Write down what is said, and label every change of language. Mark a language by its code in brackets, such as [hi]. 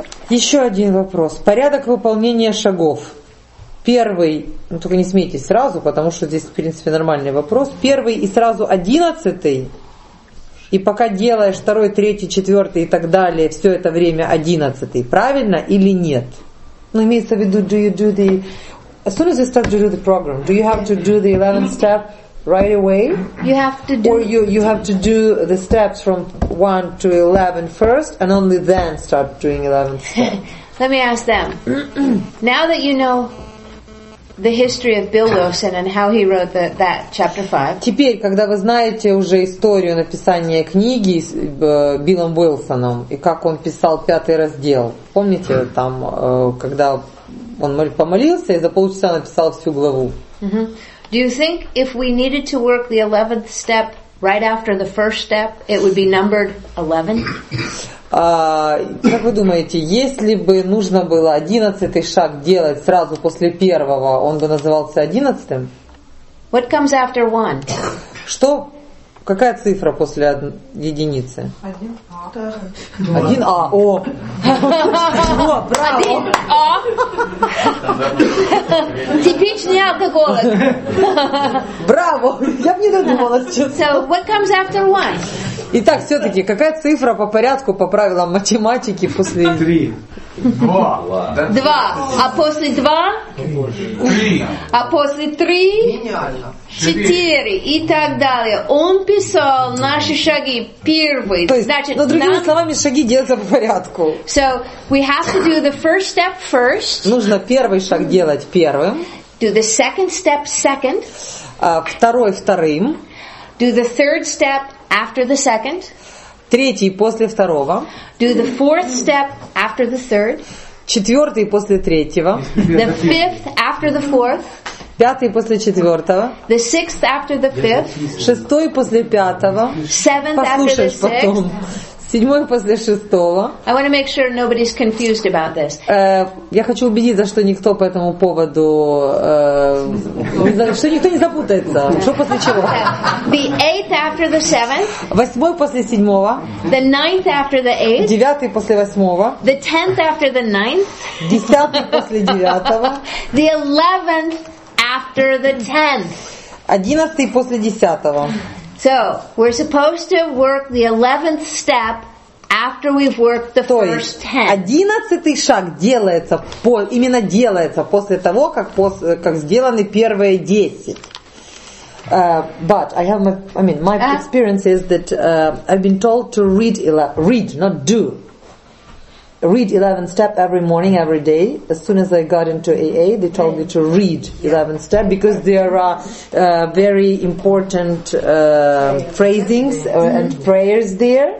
[ru] Еще один вопрос. Порядок выполнения шагов. Первый, ну только не смейтесь сразу, потому что здесь, в принципе, нормальный вопрос. Первый и сразу одиннадцатый, и пока делаешь второй, третий, четвертый и так далее, все это время одиннадцатый, правильно или нет? Ну, имеется в виду, [en] do you do the... As soon as you start to do the program, do you have to do the 11th step right away? You have to do... Or you have to do the steps from 1 to 11 first, and only then start doing 11th step. Let me ask them. Now that you know... The history of Bill Wilson and how he wrote that chapter 5. [ru] Теперь, когда вы знаете уже историю написания книги с Биллом Уилсоном и как он писал пятый раздел, помните там, когда он помолился и за полчаса написал всю главу? [en] Do you think if we needed to work the 11th step right after the first step, it would be numbered 11? [ru] Как вы думаете, если бы нужно было 11-й шаг делать сразу после первого, он бы назывался 11-м? [en] What comes after one? [ru] Что? Какая цифра после единицы? 1А. 1А, о! О, браво! 1А? Типичный алкоголик! Браво! Я бы не додумалась, честно. [en] So, what comes after one? [ru] Итак, все-таки, какая цифра по порядку, по правилам математики после... Три. Два. Два. А после два? Три. А после три? Гениально. Четыре. И так далее. Он писал наши шаги первые. То есть, значит, ну, другими словами, шаги делаются по порядку. [en] So, we have to do the first step first. [ru] Нужно первый шаг делать первым. [en] Do the second step second. [ru] Второй вторым. [en] Do the third step after the second. [ru] Третий после второго. [en] Do the fourth step after the third. [ru] Четвертый после третьего. [en] The fifth after the fourth. [ru] Пятый после четвертого. [en] The sixth after the fifth. [ru] Шестой после пятого. [en] Seventh after the sixth. [ru] Послушай потом. Седьмой после шестого. [en] I want to make sure nobody's confused about this. [ru] Я хочу убедиться, что никто по этому поводу, что никто не запутается. Что после чего? [en] The eighth after the seventh. [ru] Восьмой после седьмого. [en] The ninth after the eighth. [ru] Девятый после восьмого. [en] The tenth after the ninth. [ru] Десятый после девятого. [en] The eleventh after the tenth. [ru] Одиннадцатый после десятого. [en] So, we're supposed to work the 11th step after we've worked the first 10. [ru] 11-й шаг делается, именно делается после того, как сделаны первые 10. [en] But I have my experience is that I've been told to read 11th step every morning, every day. As soon as I got into AA, they told me to read 11th step because there are very important phrasings and prayers there.